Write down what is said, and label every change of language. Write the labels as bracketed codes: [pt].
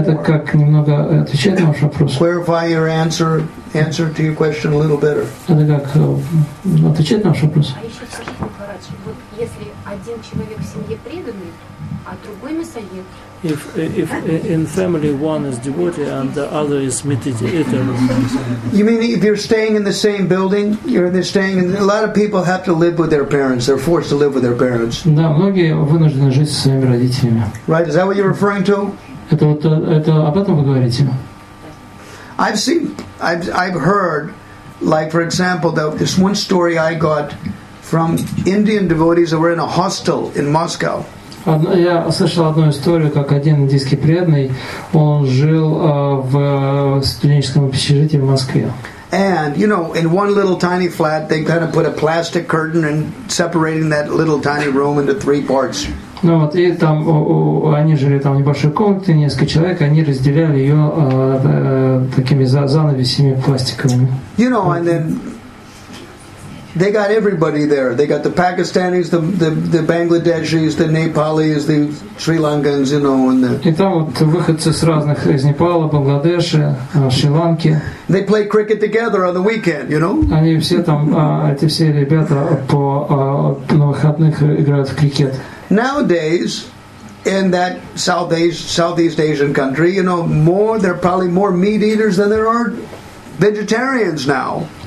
[ru] Это как немного отвечает на ваш вопрос. [en] Clarify your answer to your question a little better. [ru] Это как отвечает на ваш вопрос. А еще скажите, Махарадж, вот если один человек в семье преданный, а другой мясоед. [en] If in family one is devotee and the other is meditator. You mean if you're staying in the same building, a lot of people have to live with their parents. They're forced to live with their parents. [ru] Да, многие вынуждены жить со своими родителями. [en] Right, is that what you're referring to? [ru] Это об этом вы говорите? [en] I've heard, like for example, this one story I got from Indian devotees that were in a hostel in Moscow. [ru] Я слышал одну историю, как один индийский преданный, он жил в студенческом общежитии в Москве. [en] And, you know, in one little tiny flat, they kind of put a plastic curtain and separating that little tiny room into three parts. [ru] Ну вот, и там они жили там в небольшой комнате, несколько человек, они разделяли ее такими занавесями пластиковыми. [en] You know, and then they got everybody there. They got the Pakistanis, the Bangladeshis, the Nepalis, the Sri Lankans, you know, and the... [ru] И там вот выходцы с разных, из Непала, Бангладеши, Шри-Ланки. [en] They play cricket together on the weekend, you know? [ru] Они все там, эти все ребята по на выходных играют в крикет. [en] Nowadays, in that Southeast Asian country, you know, more there are probably more meat eaters than there are vegetarians now.